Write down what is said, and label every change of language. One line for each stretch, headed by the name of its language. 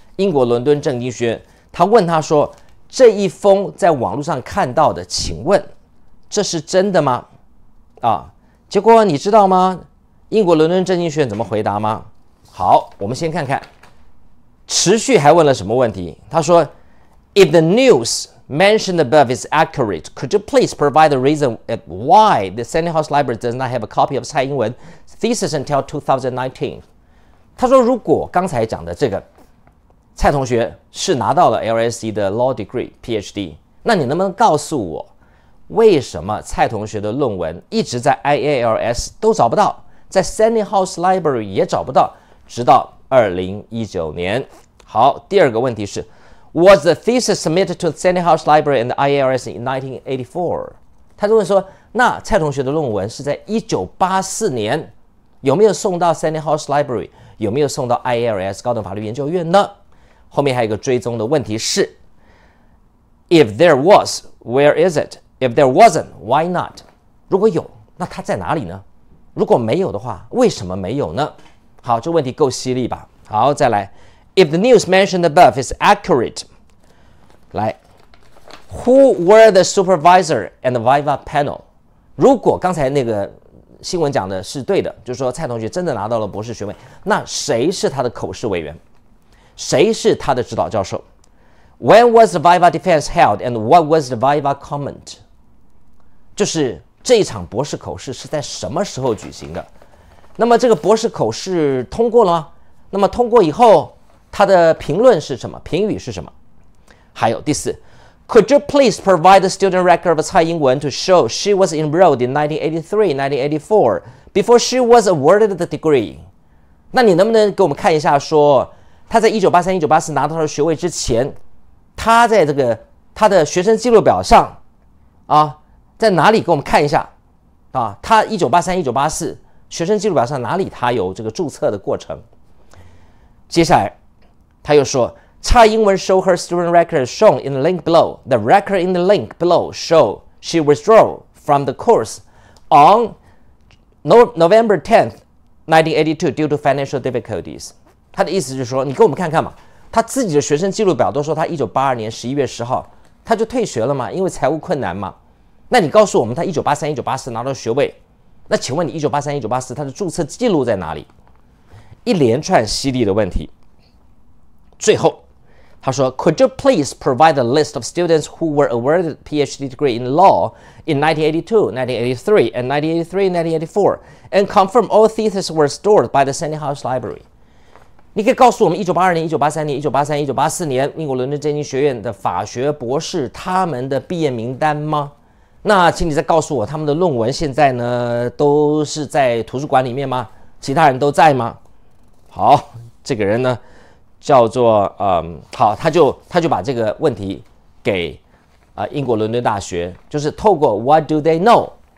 Chinese: 英国伦敦政经学院他问他说，这一封在网络上看到的，请问这是真的吗？结果你知道吗？英国伦敦政经学院怎么回答吗？好，我们先看看，持续还问了什么问题。他说
English: If the news mentioned above is accurate, could you please provide the reason why the Senate House Library does not have a copy of 蔡英文 thesis until 2019?
Chinese: 他说如果刚才讲的这个蔡同学是拿到了 LSE 的 Law Degree PhD， 那你能不能告诉我为什么蔡同学的论文一直在 IALS 都找不到，在 Sandy House Library 也找不到，直到2019年。好，第二个问题是
English: Was the thesis submitted to Sandy House Library and IALS in 1984?
Chinese: 他问说，那蔡同学的论文是在1984年有没有送到 Sandy House Library，有没有送到 IALS 高等法律研究院呢？后面还有一个追踪的问题是
English: If there was, where is it? If there wasn't, why not?
Chinese: 如果有，那它在哪里呢？如果没有的话，为什么没有呢？好，这问题够犀利吧。好，再来，
English: If the news mentioned above is accurate，
Chinese: 来，
English: Who were the supervisor and the Viva panel?
Chinese: 如果刚才那个新闻讲的是对的，就是说蔡同学真的拿到了博士学位，那谁是他的口试委员，谁是他的指导教授？
English: When was the Viva defense held and what was the Viva comment?
Chinese: 就是这一场博士口试是在什么时候举行的？那么这个博士口试通过了吗？那么通过以后他的评论是什么，评语是什么？还有第四，
English: Could you please provide the student record of 蔡英文 to show she was enrolled in 1983-1984 before she was awarded the degree?
Chinese: 那你能不能给我们看一下说他在1983-1984拿到他的学位之前，他在这个他的学生记录表上啊，在哪里给我们看一下啊？他1983-1984学生记录表上哪里他有这个注册的过程？接下来他又说，
English: 蔡英文 show her student record shown in the link below. The record in the link below show she withdrew from the course on November 10th, 1982 due to financial difficulties.
Chinese: 他的意思就是说，你给我们看看嘛，他自己的学生记录表都说他1982年11月10号他就退学了嘛，因为财务困难嘛。那你告诉我们他1983-1984拿到学位，那请问你1983-1984他的注册记录在哪里？一连串犀利的问题。最后他说
English: Could you please provide a list of students who were awarded PhD degree in law in 1982, 1983, and 1983-1984 and confirm all theses were stored by the Sandy House Library?
Chinese: 你可以告诉我们1982年、1983年、1983、1984年英国伦敦政经学院的法学博士他们的毕业名单吗？那请你再告诉我，他们的论文现在呢都是在图书馆里面吗？其他人都在吗？好，这个人呢叫做好，他就把这个问题给英国伦敦大学，就是透过 What do they know？